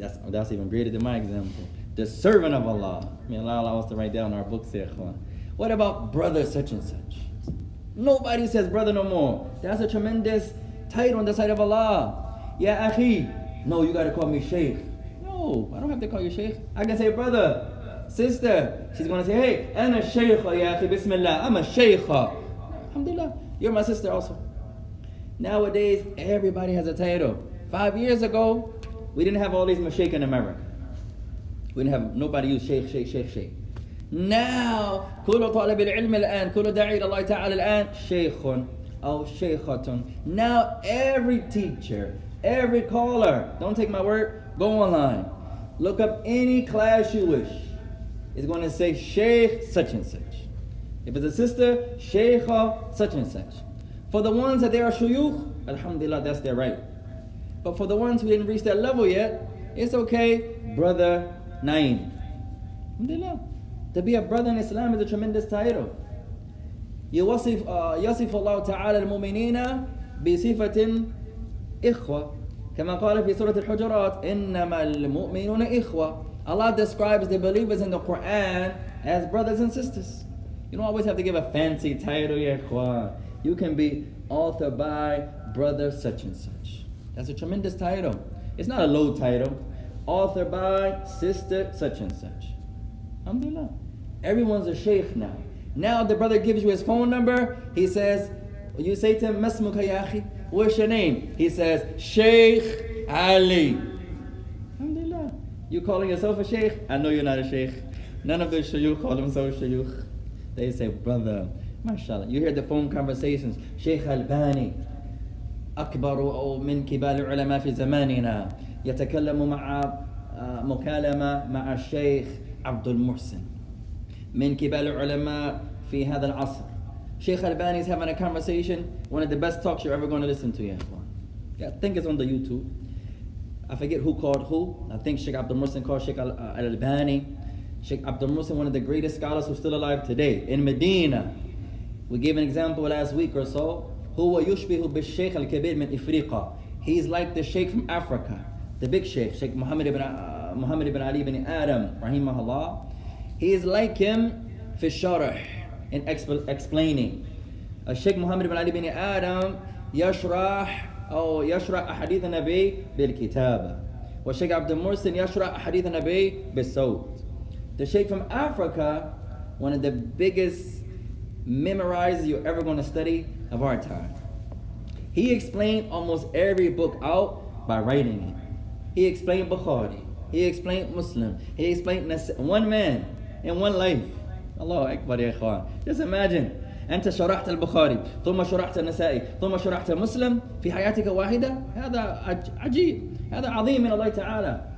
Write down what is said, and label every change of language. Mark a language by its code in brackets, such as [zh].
[en] That's even greater than my example. The servant of Allah. May Allah allow us to write down our books, Yaqo. What about brother such and such? Nobody says brother no more. That's a tremendous title on the side of Allah. Ya akhi. No, you gotta call me Sheikh. No, I don't have to call you Sheikh. I can say brother. sister. She's gonna say, hey, [ar] أنا الشيخة يا أخي بسم الله. [en] I'm a sheikh. Alhamdulillah, you're my sister also. Nowadays, everybody has a title. 5 years ago, we didn't have all these mashaykh in America. We didn't have nobody use sheikh, sheikh, sheikh, sheikh. [ar] Now, كل طالب العلم الآن, كل داعي الله تعالى الآن, شيخ أو شيخة. [en] Now, every teacher, every caller, don't take my word, go online. Look up any class you wish. It's going to say sheikh such and such. If it's a sister, sheikha such and such. For the ones that they are shuyukh, alhamdulillah, that's their right. But for the ones who didn't reach that level yet, it's okay, brother Naeem. Alhamdulillah. To be a brother in Islam is a tremendous title. [ar] يصف الله تعالى المؤمنين بصفة إخوة كما قال في سورة الحجرات إنما المؤمنون إخوة. [en] Allah describes the believers in the Quran as brothers and sisters. You don't always have to give a fancy title, يا إخوة. You can be authored by brother such and such. That's a tremendous title. It's not a low title. Authored by sister such and such. Alhamdulillah. Everyone's a sheikh now. Now the brother gives you his phone number. He says, you say to him, [ar] Masmuka ya akhi, [en] what's your name? He says, Sheikh Ali. Alhamdulillah. You calling yourself a sheikh? I know you're not a sheikh. None of the shayukh call themselves shayukh. They say, brother, mashallah. You hear the phone conversations. [ar] Sheikh Albani, أكبر من كبار العلماء في زماننا يتكلم مع مكالمة مع الشيخ عبد المحسن من كبار العلماء في هذا العصر. [en] Sheikh Albani is having a conversation, one of the best talks you're ever going to listen to, يا إخوان. Yeah, I think it's on the YouTube. I forget who called who. I think Sheikh Abdul Muhsin called Sheikh Albani. Sheikh Abdul Muhsin, one of the greatest scholars who's still alive today in Medina. We gave an example last week or so. [ar] هو يشبه بالشيخ الكبير من إفريقيا. [en] He's like the Sheikh from Africa, the big Sheikh, Sheikh Muhammad ibn Ali ibn Adam, rahimahullah. He is like him [ar] في الشرح, [en] in explaining. [ar] Sheikh Muhammad ibn Ali ibn Adam يشرح أحاديث النبي بالكتابة. وشيخ عبد المحسن يشرح أحاديث النبي بالصوت. [en] The Sheikh from Africa, one of the biggest memorizers you're ever going to study of our time. He explained almost every book out by writing it. He explained Bukhari. He explained Muslim. He explained one man in one life. Allahu Akbar, ya ikhwan. Just imagine. [ar] أنت شرحت البخاري ثم شرحت النسائي ثم شرحت مسلم في حياتك واحدة. هذا عجيب, هذا عظيم من الله تعالى.